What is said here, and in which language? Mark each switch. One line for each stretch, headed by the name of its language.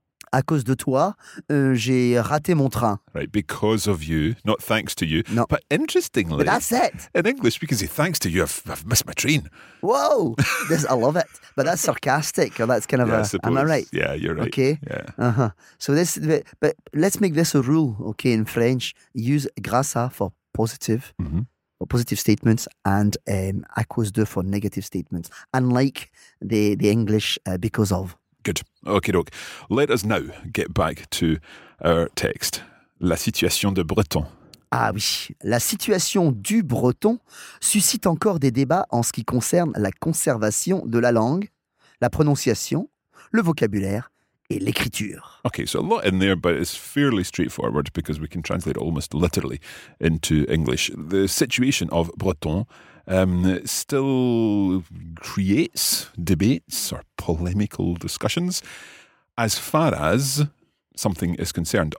French: À cause de toi, j'ai raté mon train.
English: Right, because of you, not thanks to you. No. But interestingly, but that's it. In English, we can say thanks to you, I've missed my train. Whoa, this, I love it. But that's sarcastic. Or that's kind of am I right? Yeah, you're right. Okay. Yeah. Uh-huh. So this, but let's make this a rule, okay, in French. Use grâce à for positive, mm-hmm. or positive statements, and à cause de for negative statements, unlike the English because of. Good. Okay, doc. Let us now get back to our text.
French: La situation de Breton. Ah oui, la situation du Breton suscite encore des débats en ce qui concerne la conservation de la langue, la prononciation, le vocabulaire et l'écriture.
English: Okay, so a lot in there, but it's fairly straightforward because we can translate almost literally into English. The situation of Breton still creates debates or polemical discussions as far as something is concerned.